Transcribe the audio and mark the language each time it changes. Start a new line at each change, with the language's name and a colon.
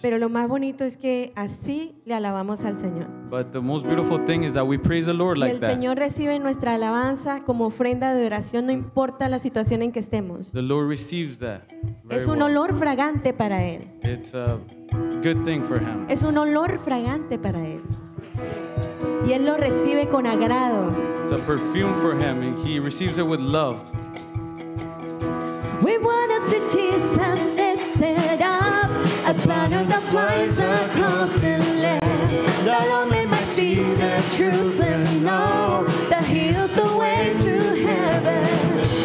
Spanish: Pero lo más bonito es que así le alabamos al Señor.
English: But the most beautiful thing is that we praise the Lord like that.
Spanish: El Señor recibe nuestra alabanza como ofrenda de oración, no importa la situación en que estemos.
English: The Lord receives that.
Spanish: Es un olor fragante para él.
English: It's a good thing for him.
Spanish: Es un olor fragante para él. Y él lo recibe con agrado.
English: It's a perfume for him and he receives it with love. We wanna see Jesus lifted up, a banner that flies across the land. That all men might see the truth and know that heals the way to heaven.